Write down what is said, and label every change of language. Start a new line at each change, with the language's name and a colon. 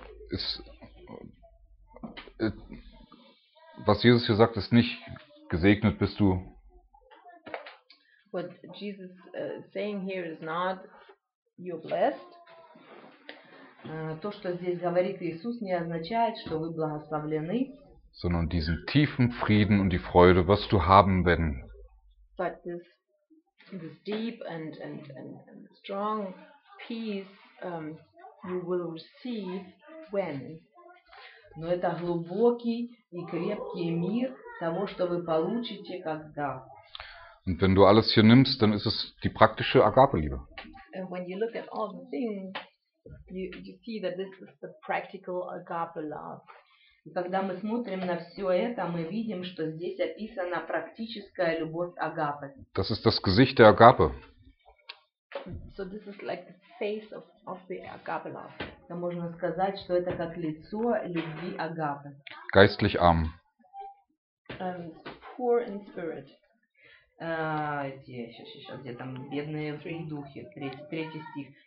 German: Ist, was Jesus hier sagt, ist nicht gesegnet bist du.
English: What Jesus saying here is not you're blessed.
Russian: То, что здесь говорит Иисус, не означает, что вы благословлены.
German: Sondern diesen tiefen Frieden und die Freude wirst du haben, wenn.
English: But this deep and strong peace you will receive when.
Russian: Но это глубокий и крепкий мир того, что вы получите, когда.
German: Und wenn du alles hier nimmst, dann ist es die praktische Agape-Liebe.
English: And when you look at all the things, you see that this is the practical agape love.
Russian: И когда мы смотрим на все это, мы видим, что здесь описана практическая любовь агапы.
German: Das ist das Gesicht der Agape.
English: So this is like the face of the agape love.
Russian: Это можно сказать, что это как лицо любви агапы.
German: Geistlich arm.
English: Poor in spirit.
Russian: Сейчас, где там бедные в духе, третий стих.